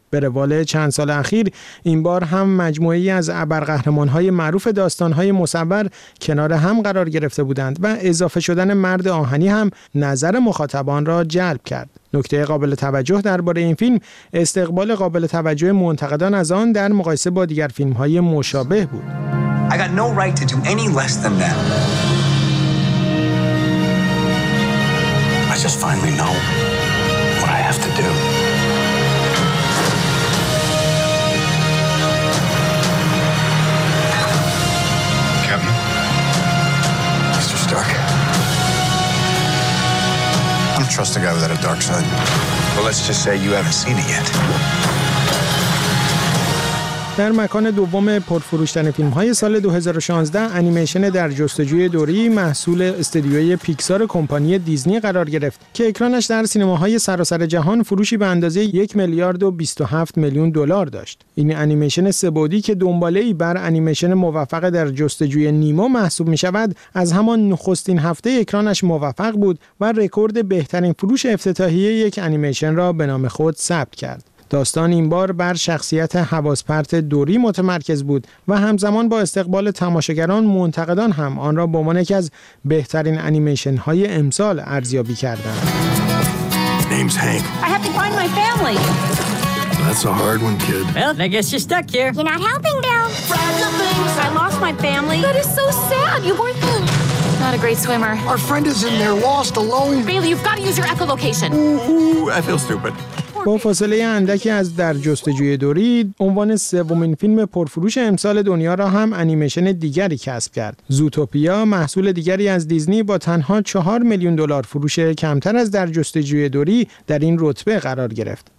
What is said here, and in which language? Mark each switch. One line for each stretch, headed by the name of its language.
Persian: به روال چند سال اخیر این بار هم مجموعه‌ای از ابرقهرمان‌های معروف داستان‌های مصور کنار هم قرار گرفته بودند و اضافه شدن مرد آهنی هم نظر مخاطبان را جلب کرد. نکته قابل توجه درباره این فیلم استقبال قابل توجه منتقدان از آن در مقایسه با دیگر فیلم‌های مشابه بود.
English: I got no right to do any less than that. I just finally know what I have to do. Captain. Mr. Stark. I don't trust a guy without a dark side. Well, let's just say you haven't seen it yet.
Persian: در مکان دوم پرفروش‌ترین فیلم‌های سال 2016 انیمیشن در جستجوی دوری محصول استودیوی پیکسار کمپانی دیزنی قرار گرفت که اکرانش در سینماهای سراسر جهان فروشی به اندازه 1,027,000,000 دلار داشت. این انیمیشن سه‌بعدی که دنباله‌ای بر انیمیشن موفق در جستجوی نیمو محسوب می‌شود، از همان نخستین هفته اکرانش موفق بود و رکورد بهترین فروش افتتاحیه یک انیمیشن را به نام خود ثبت کرد. داستان این بار بر شخصیت حواس‌پرت دوری متمرکز بود و همزمان با استقبال تماشاگران، منتقدان هم آن را به عنوان یکی از بهترین انیمیشن های امسال ارزیابی کردند.
English: Name's Hank. I have to find my family. That's a hard one, kid. Well, I guess you're stuck here. You're not helping, Bill. Fragile things. I lost my family. That is so sad. You weren't good. Not a great swimmer. Our friend is in there lost alone. Bailey, you've got to use your echolocation. Ooh, I feel stupid.
Persian: با فاصله اندکی از در جستجوی دوری، عنوان سومین فیلم پرفروش امسال دنیا را هم انیمیشن دیگری کسب کرد. زوتوپیا، محصول دیگری از دیزنی با تنها 4,000,000 دلار فروش کمتر از در جستجوی دوری در این رتبه قرار گرفت.